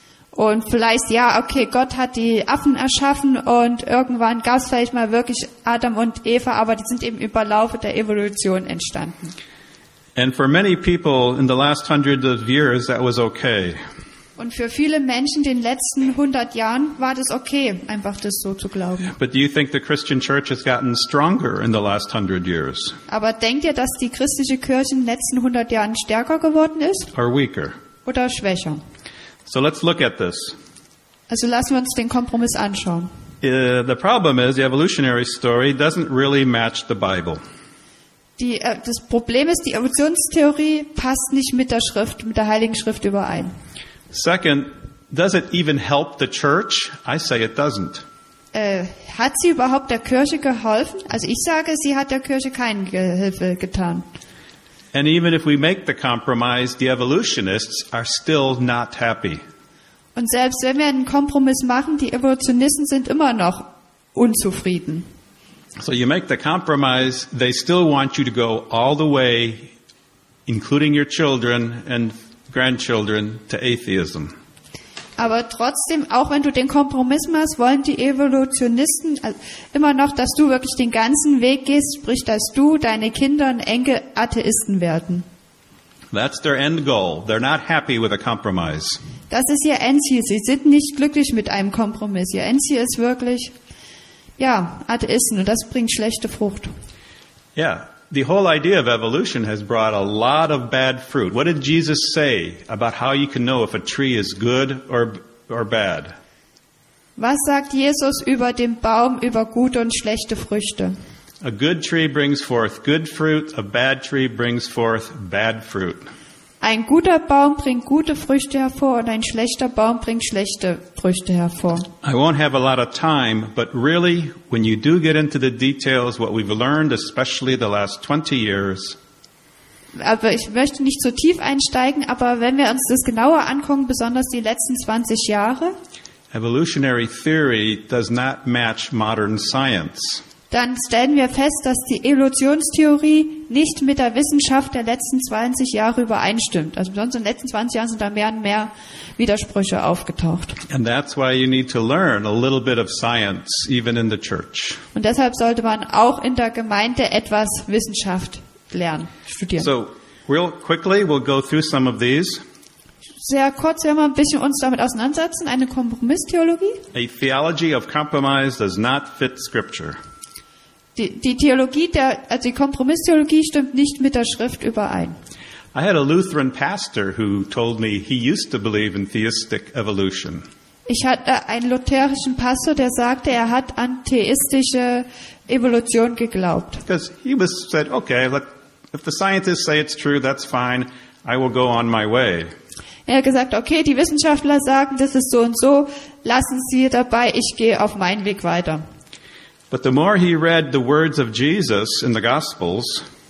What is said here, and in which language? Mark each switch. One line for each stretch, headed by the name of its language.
German: Und vielleicht, ja, okay, Gott hat die Affen erschaffen und irgendwann gab es vielleicht mal wirklich Adam und Eva, aber die sind eben über Laufe der Evolution entstanden.
English: And for many people in the last hundreds of years, that was okay.
German: Und für viele Menschen in den letzten 100 Jahren war das okay, einfach das so zu glauben.
English: But do you think the Christian church has gotten stronger in the last 100 years?
German: Aber denkt ihr, dass die christliche Kirche in den letzten 100 Jahren stärker geworden ist?
English: Or weaker?
German: Oder schwächer?
English: So let's look at this.
German: Also lassen wir uns den Kompromiss anschauen.
English: The problem is the evolutionary story doesn't really match the Bible.
German: Das Problem ist, die Evolutionstheorie passt nicht mit der Schrift, mit der Heiligen Schrift überein.
English: Second, does it even help the church? I say it doesn't.
German: Hat sie überhaupt der Kirche geholfen? Also ich sage, sie hat der Kirche keine Hilfe getan.
English: And even if we make the compromise, the evolutionists are still not happy.
German: Und selbst wenn wir einen Kompromiss machen, die Evolutionisten sind immer noch unzufrieden.
English: So you make the compromise, they still want you to go all the way, including your children and grandchildren, to atheism.
German: Aber trotzdem, auch wenn du den Kompromiss machst, wollen die Evolutionisten immer noch, dass du wirklich den ganzen Weg gehst, sprich, dass du, deine Kinder und Enkel Atheisten werden.
English: That's their end goal. They're not happy with a compromise.
German: Das ist ihr Endziel. Sie sind nicht glücklich mit einem Kompromiss. Ihr Endziel ist wirklich, ja, Atheisten, und das bringt schlechte Frucht.
English: Yeah, the whole idea of evolution has brought a lot of bad fruit. What did Jesus say about how you can know if a tree is good or bad?
German: Was sagt Jesus über den Baum, über gute und schlechte Früchte?
English: A good tree brings forth good fruit, a bad tree brings forth bad fruit.
German: Ein guter Baum bringt gute Früchte hervor und ein schlechter Baum bringt schlechte Früchte hervor.
English: I won't have a lot of time, but really, when you do get into the details, what we've learned, especially the last 20 years.
German: Aber ich möchte nicht so tief einsteigen, aber wenn wir uns das genauer angucken, besonders die letzten 20 Jahre.
English: Evolutionary theory does not match modern science.
German: Dann stellen wir fest, dass die Evolutionstheorie nicht mit der Wissenschaft der letzten 20 Jahre übereinstimmt. Also besonders in den letzten 20 Jahren sind da mehr und mehr Widersprüche aufgetaucht.
English: And that's why you need to learn a little bit of science, even in the church.
German: Und deshalb sollte man auch in der Gemeinde etwas Wissenschaft lernen, studieren.
English: So, real quickly, we'll go through some of these.
German: Sehr kurz, wenn wir ein bisschen uns damit auseinandersetzen, eine Kompromisstheologie.
English: A theology of compromise does not fit scripture.
German: Die Theologie der, also die Kompromisstheologie stimmt nicht mit der Schrift überein.
English: I had a Lutheran pastor who told me he used to believe in theistic evolution.
German: Ich hatte einen lutherischen Pastor, der sagte, er hat an theistische Evolution geglaubt.
English: Because he was said, okay, look, if the scientists say it's true, that's fine. I will go on my way.
German: Er hat gesagt, okay, die Wissenschaftler sagen, das ist so und so. Lassen Sie dabei, ich gehe auf meinen Weg weiter.
English: But the more he read the words of Jesus in the Gospels,